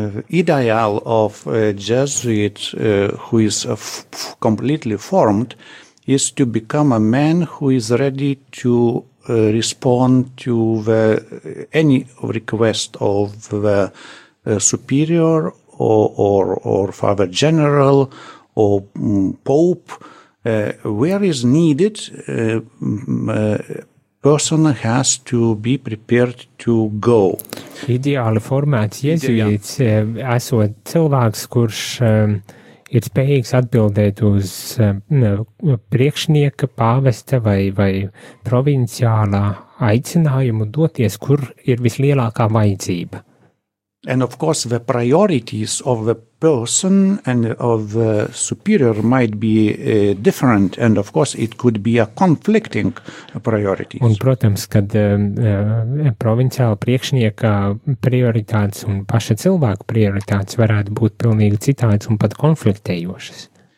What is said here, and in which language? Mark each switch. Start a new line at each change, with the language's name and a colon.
English: Ideal of a Jesuit who is completely formed is to become a man who is ready to respond to any request of the superior or father general or pope where is needed person has to be prepared to go.
Latvian: Ideāli formēts jezuīts, esot cilvēks, kurš ir spējīgs atbildēt uz priekšnieka, pāvesta vai provinciālā aicinājumu doties, kur ir vislielākā vajadzība.
English: And of course the priorities of the person and of the superior might be different and of course it could be a conflicting priority.
Latvian: Un protams, kad provinciāla priekšnieka prioritātes un paša cilvēka prioritātes varētu būt pilnīgi citādas un pat konfliktējošas.